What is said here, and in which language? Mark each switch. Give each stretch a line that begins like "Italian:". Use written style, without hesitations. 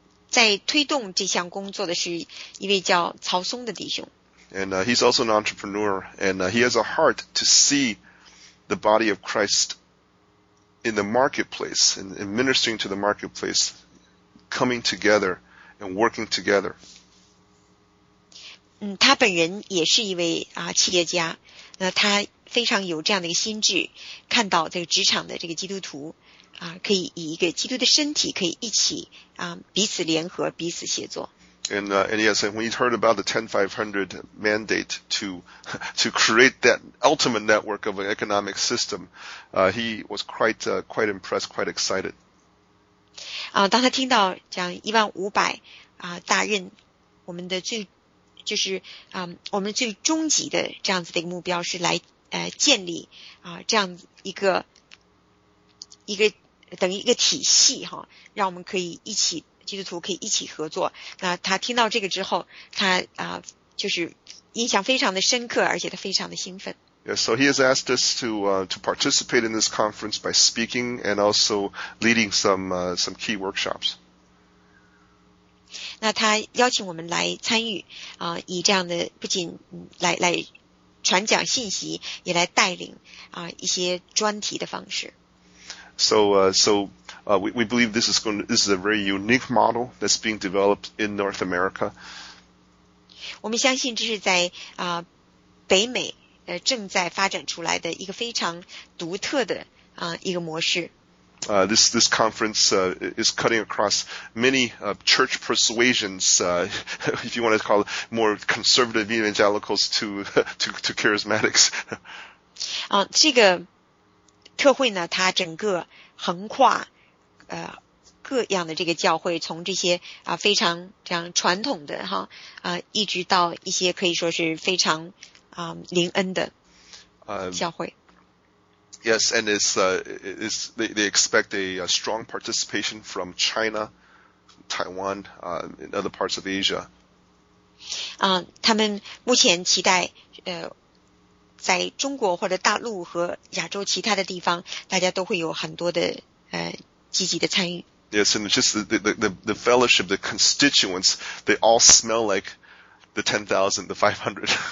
Chinese: 在推动这项工作的是一位叫曹松的弟兄。
English: And he's also an entrepreneur, and he has a heart to see the body of Christ in the marketplace, in ministering to the marketplace, coming together and working together.
Chinese: 他本人也是一位企业家，那他非常有这样的一个心智，看到这个职场的这个基督徒可以以一个基督的身体可以一起彼此联合，彼此协作。
English: And when he heard about the 10-500 mandate to create that ultimate network of an economic system, he was quite impressed, quite excited.
Chinese: 当他听到讲1500大任，我们的最就是我们最终极的这样子的一个目标是来建立这样一个等于一个体系哈，让我们可以一起。基督徒可以一起合作。那他听到这个之后，他就是印象非常的深刻，而且他非常的兴奋。
English: Yes, so he has asked us to participate in this conference by speaking and also leading some key workshops.
Chinese: 那他邀请我们来参与以这样的不仅来传讲信息，也来带领一些专题的方式。
English: So we believe this is a very unique model that's being developed in North America.
Chinese: 我们相信这是在北美正在发展出来的一个非常独特的一个模式。
English: This conference is cutting across many church persuasions, if you want to call it more conservative evangelicals to charismatics.
Chinese: 这个特会呢，它整个横跨各样的这个教会，从这些非常这样传统的哈一直到一些可以说是非常灵恩的教会。
English: Yes, and they expect a strong participation from China, Taiwan, and other parts of Asia.
Chinese: 他们目前期待在中国或者大陆和亚洲其他的地方，大家都会有很多的积极的参与。
English: Yes, and just the fellowship, the constituents, they all smell like the 10,000, the 500.